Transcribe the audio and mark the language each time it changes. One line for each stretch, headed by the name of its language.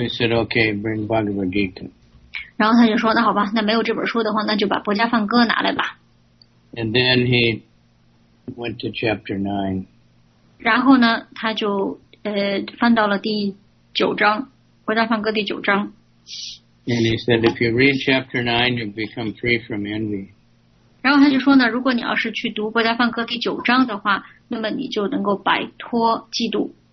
English: he said, OK, bring Bhagavad Gita.
Chinese: 然后他就说，那好吧，那没有这本书的话，那就把博加梵歌拿来吧。
English: And then he went to chapter 9.
Chinese: 然后呢，他就 翻到了第九章，《国家梵歌》第九章。
English: And he said, if you read chapter 9, you become free from envy.
Chinese: 然后他就说呢，如果你要是去读《国家梵歌》第九章的话，那么你就能够摆脱嫉妒。